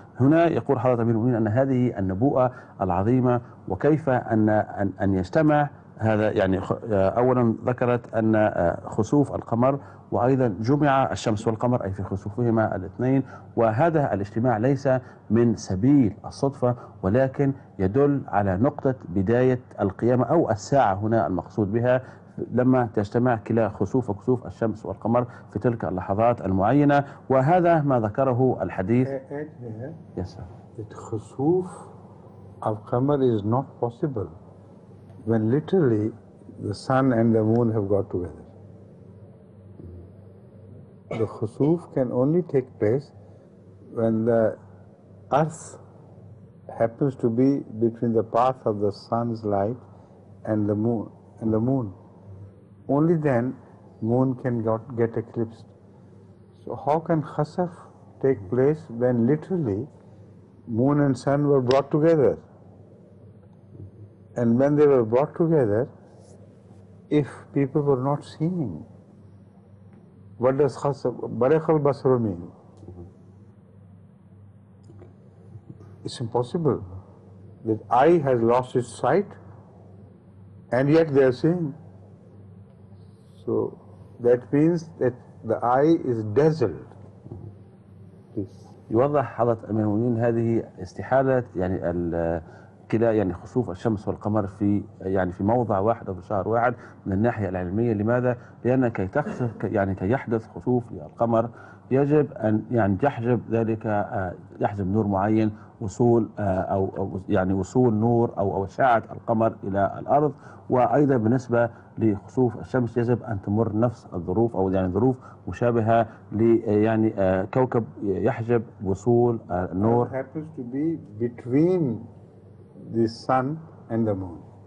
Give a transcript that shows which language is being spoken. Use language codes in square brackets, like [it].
[ar] هنا يقول حضرة أمير المؤمنين أن هذه النبوءة العظيمة وكيف أن يجتمع هذا، يعني أولا ذكرت أن خسوف القمر وأيضا جمع الشمس والقمر أي في خسوفهما الاثنين، وهذا الاجتماع ليس من سبيل الصدفة ولكن يدل على نقطة بداية القيامة أو الساعة هنا المقصود بها، لما تجتمع كلا خسوف وكسوف الشمس والقمر في تلك اللحظات المعينة. وهذا ما ذكره الحديث. [en] Yes, sir. That [ar] خسوف القمر [en] is not possible when literally the sun and the moon have got together. The خسوف can only take place when the earth happens to be between the path of the sun's light and the moon. Only then moon can get eclipsed. So how can khasaf take place when literally moon and sun were brought together? And when they were brought together, if people were not seeing, What does khasa, barakh al basar mean? It's impossible that eye has lost its sight and yet they are seeing. So that means that the eye is dazzled. [ar] يوضح حضرة أمير المؤمنين هذه استحالة يعني كلا يعني خسوف الشمس والقمر في يعني في موضع واحد أو في شهر واحد من الناحية العلمية. لماذا؟ لأن كي تخسف يعني كي يحدث خسوف للقمر يجب أن يعني يحجب ذلك يحجب نور معين وصول أو يعني وصول نور أو أشعة القمر إلى الأرض. وأيضا بالنسبة لخسوف الشمس يجب أن تمر نفس الظروف أو يعني ظروف مشابهة يعني كوكب يحجب وصول النور. [en] It happens to be between the sun and the moon.